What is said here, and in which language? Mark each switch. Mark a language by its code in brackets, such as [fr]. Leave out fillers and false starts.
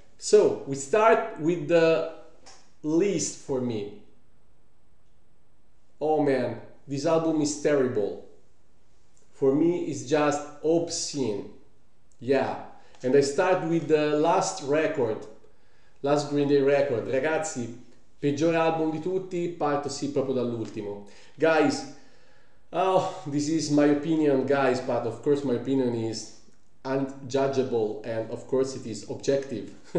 [en] So we start with the least for me. Oh man, this album is terrible. For me, it's just obscene. Yeah, and I start with the last record, last Green Day record. [it] Ragazzi, peggior album di tutti, parto sì proprio dall'ultimo. [en] Guys, oh, this is my opinion, guys, but of course my opinion is unjudgeable, and of course it is objective.